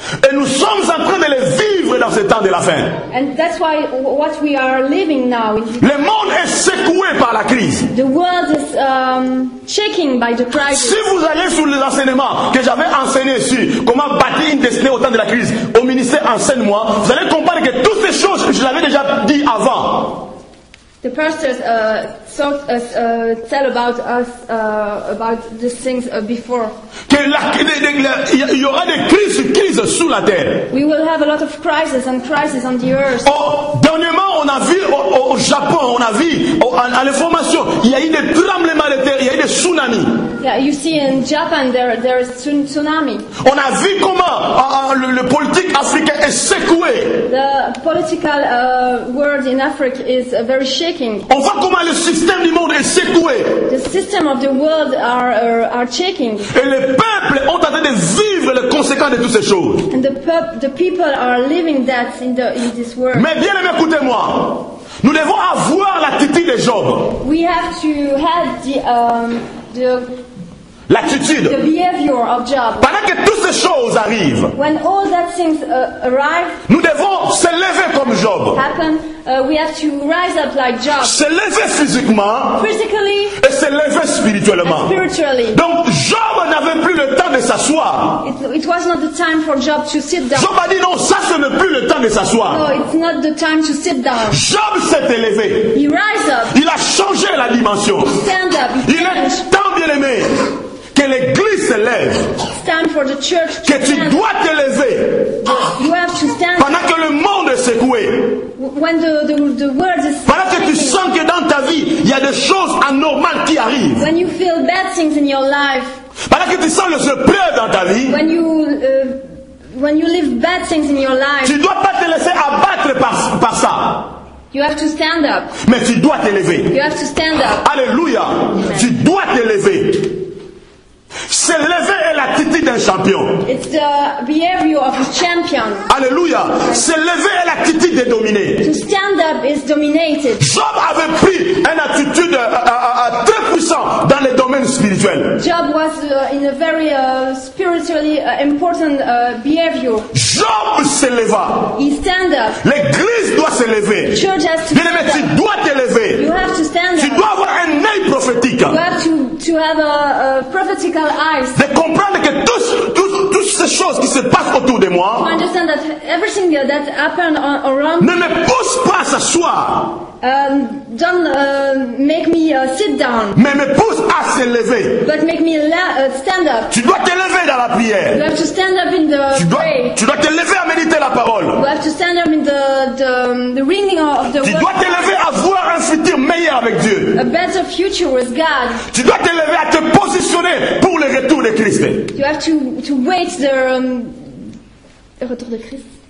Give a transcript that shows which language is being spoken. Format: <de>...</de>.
<fr>et nous sommes en train de le vivre dans ce temps de la fin.</fr> <en>And that's why what we are living now.</en> <fr>Le monde est secoué par la crise.</fr> <en>The world is shaking by the crisis.</en> <fr>Si vous allez sur les enseignements que j'avais enseignés sur comment bâtir une destinée au temps de la crise, au ministère enseigne-moi, vous allez comprendre que toutes ces choses que je l'avais déjà dit avant.</fr> <en>The pastors tell about us about these things before.</en> <fr>Que la, il y aura des crises sous la terre.</fr> <en>We will have a lot of crises on the earth.</en> <fr>Oh, dernièrement, on a vu au Japon, on a vu à l'information, il y a eu des tremblements de terre, il y a eu des tsunamis.</fr> <en>Yeah, you see, in Japan there is tsunami.</en> <fr>On a vu comment le politique africain est secoué.</fr> <en>The political world in Africa is very shaking.</en> <fr>On voit comment le système du monde est secoué.</fr> <en>The system of the world are shaking.</en> <fr>Et les peuples ont tenté de vivre les conséquences de toutes ces choses.</fr> <en>And the people are living that in this world.</en> <fr>Mais bien aimé, écoutez-moi. Nous devons avoir l'attitude de Job.</fr> <en>We have to have the</en> <fr>l'attitude.</fr> <en>The behavior of Job.</en> <fr>Pendant que toutes ces choses arrivent.</fr> <en>When all that things arrive.</en> <fr>Nous devons se lever comme Job.</fr> <en>Happen. We have to rise up like Job.</en> <fr>Se lever physiquement.</fr> <en>Physically.</en> <fr>Et se lever spirituellement.</fr> <en>And spiritually.</en> <fr>Donc Job n'avait plus le temps de s'asseoir.</fr> <en>It was not the time for Job to sit down.</en> <fr>Job a dit non, ça ce n'est plus le temps de s'asseoir.</fr> <en>No, it's not the time to sit down.</en> <fr>Job s'est élevé.</fr> <en>He rise up.</en> <fr>Il a changé la dimension.</fr> <en>He stand up. He</en> <fr>il est temps, bien aimé. Que l'église se lève.</fr> <en>Stand for the church</en> <fr>to que tu</fr> <en>stand.</en> <fr>Dois t'élever.</fr> <en>You have to stand.</en> <fr>Pendant que le monde est secoué.</fr> <en>When the world is</en> <fr>pendant que tu sens que dans ta vie, il y a des choses anormales qui arrivent.</fr> <en>When you feel bad things in your life.</en> <fr>Pendant que tu sens le secret dans ta vie.</fr> <en>When you live bad things in your life.</en> <fr>Tu ne dois pas te laisser abattre par ça.</fr> <en>You have to stand up.</en> <fr>Mais tu dois t'élever.</fr> <en>You have to stand up. Alléluia. Amen.</en> <fr>Tu dois t'élever. Se lever est l'attitude d'un champion.</fr> <en>It's the behavior of a champion.</en> <fr>Alléluia. Se lever est l'attitude de dominer.</fr> <en>To stand up is dominated.</en> <fr>Job avait pris une attitude très puissante dans les domaines spirituels.</fr> <en>Job was in a very spiritually important behavior.</en> <fr>Job se leva.</fr> <en>He stand up.</en> <fr>L'église doit se lever.</fr> <en>The church has to</en> <fr>bien</fr> <en>stand</en> <fr>mais,</fr> <en>up.</en> <fr>Tu dois t'élever.</fr> <en>You have to stand</en> <fr>tu</fr> <en>up.</en> <fr>Tu dois avoir un œil prophétique.</fr> <en>You have to have a prophetic eyes.</en> <fr>De comprendre que toutes ces choses qui se passent autour de moi ne me pousse pas à s'asseoir.</fr> <en>Make me sit down.</en> <fr>Mais me pousse à se lever.</fr> <en>But make me stand up.</en> <fr>Tu dois te lever dans la prière.</fr> <en>You have to stand up in the pray.</en> <fr>Tu dois te lever à méditer la parole.</fr> <en>You have to stand up in the reading of the</en> <fr>tu Tu dois te lever à voir un futur meilleur avec Dieu.</fr> <en>A better future with God.</en> <fr>Tu dois te lever à te positionner pour le retour de Christ.</fr> <en>You have to wait the</en> <fr>retour de Christ.</fr>